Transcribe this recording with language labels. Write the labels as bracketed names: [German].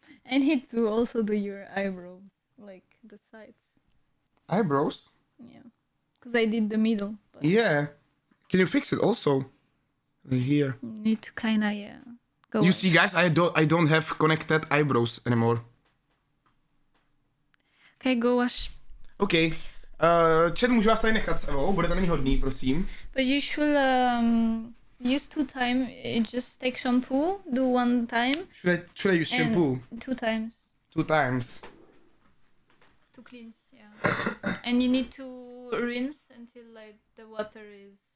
[English] I need to also do your eyebrows, like the sides. Eyebrows? Yeah. Because I did the middle. But... Yeah. Can you fix it also? Here. Need to kinda, yeah. Go you watch. See, guys, I don't have connected eyebrows anymore. Okay, go wash. Okay. [Czech] Chat, můžu vás tady nechat s Evou, bude to není hodný, prosím. [English] But you should use 2 times, just take shampoo, do 1 time. Should I use shampoo? 2 times. 2 times. To cleanse, yeah. And you need to rinse until like the water is...